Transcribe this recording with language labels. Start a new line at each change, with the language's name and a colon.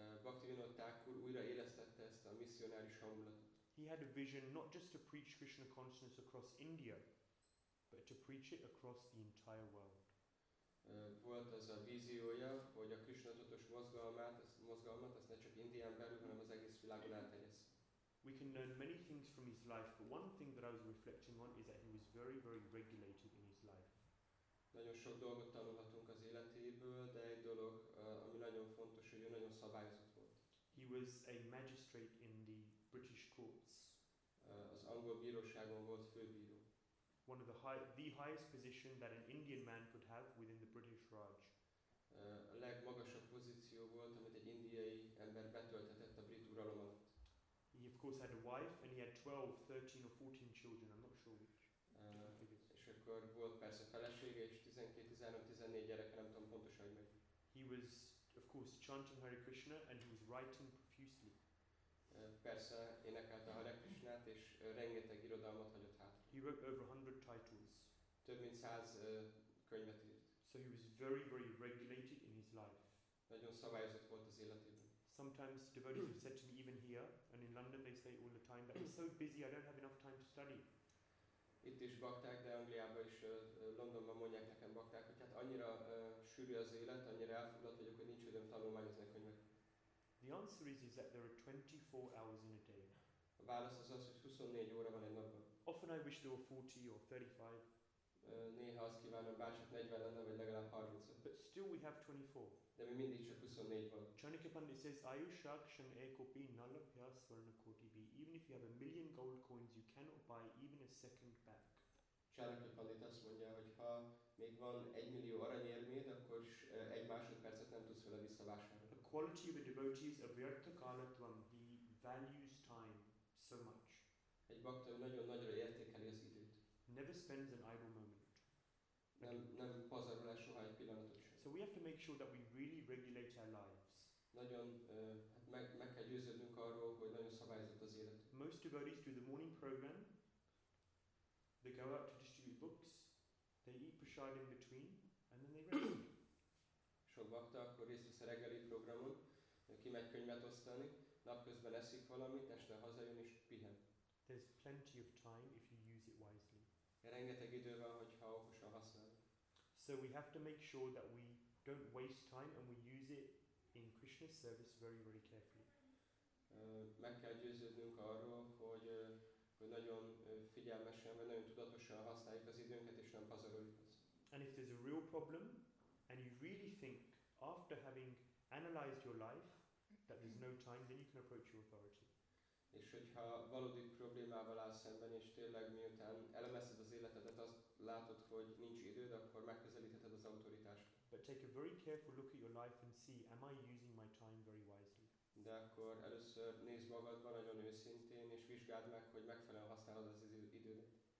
Hungarian: Bhaktivinoda Thakur újra élesztette ezt a misszionáris hangulatot.
English: He had a vision not just to preach Krishna consciousness across India, but to preach it across the entire world.
Hungarian: Volt az a víziója, hogy a Krishna tudatos mozgalmat, ezt ne csak Indián belül, hanem az egész világon elterjessz.
English: We can learn many things from his life, but one thing that I was reflecting on is that he was very, very regulated in his life.
Hungarian: Nagyon sok dolgot tanulhatunk az életéből, de egy dolog, ami nagyon fontos, hogy ő nagyon szabályozott volt.
English: He was a magistrate in the British courts.
Hungarian: Az angol bíróságon volt főbíró.
English: One of the highest position that an Indian man could have within the British Raj.
Hungarian: A legmagasabb pozíció volt, amit egy indiai ember betölthetett a brit uralom alatt.
English: He of course had a wife and he had 12, 13 or 14 children, I'm not sure which.
Hungarian: És akkor volt persze felesége és 12-13-14 gyereke, nem tudom pontosan, hogy meg.
English: He was of course chanting Hare Krishna and he was writing profusely.
Hungarian: Persze énekelte Hare Krishnát és rengeteg irodalmat hagyott hátra.
English: He wrote over 100 titles.
Hungarian: Több mint 100 könyvet írt.
English: So he was very, very regulated in his life.
Hungarian: Nagyon szabályozott volt az életében.
English: Sometimes devotees have said to me, even here and in London, they say all the time that I'm so busy, I don't have enough time to study.
Hungarian: Itt is bakták, de Angliában is, Londonban mondják nekem bakták, hogy hát annyira sűrű az élet, annyira elfoglalt vagyok, hogy nincs időm tanulmányozni a könyvet.
English: The answer is that there are 24 hours in a day.
Hungarian: A válasz az, hogy 24 óra van egy napban.
English: Often I wish there were 40 or 35.
Hungarian: Néha azt kívánom, bárcsak 40 lenne, vagy legalább 35.
English: But still we have 24.
Hungarian: De mi mindig csak 24 van.
English: Chanakya Pandit says,
Sanskrit: Ayushaksham ekopi nalabhya svarna koti bi.
English: Even if you have a million gold coins, you cannot buy even a second back.
Hungarian: Chanakya Pandit azt mondja, hogy ha még van 1 millió aranyérméd, akkor egy másodpercet nem tudsz vele visszavásárolni.
English: quality of a devotee is avyartha kalatvam, he values time so much.
Hungarian: Egy bhakta nagyon nagyra értékeli az időt.
English: Never spends an idle moment.
Hungarian: Nem pazarol el soha egy pillanatot sem.
English: So we have to make sure that we really regulate our lives.
Hungarian: Nagyon meg kell győződnünk arról, hogy nagyon szabályozott az élet.
English: Most devotees do the morning program. They go out to distribute books. They eat prasad in between, and then they rest.
Hungarian: Sok bhakta akkor részt vesz a reggeli programon, kimegy könyvet osztani, napközben eszik valamit, este hazajön és pihen.
English: There's plenty of time if you use it wisely.
Hungarian: Rengeteg idő van, hogyha okosan használjuk.
English: So we have to make sure that we don't waste time and we use it in Krishna's service very, very carefully.
Hungarian: Meg kell győződnünk arról, hogy nagyon figyelmesen, vagy nagyon tudatosan használjuk az időnket, és nem pazaroljuk az.
English: And if there's a real problem, and you really think, after having analyzed your life, that there's no time, then you can approach your authority.
Hungarian: És hogyha valódi problémával állsz szemben, és tényleg miután elemezted az életedet, azt látod, hogy nincs időd, akkor megközelítheted az autoritást.
English: But take a very careful look at your life and see, am I using my time very wisely?
Hungarian: De akkor először nézd magadba nagyon őszintén, és vizsgáld meg, hogy megfelelően használod az idődet.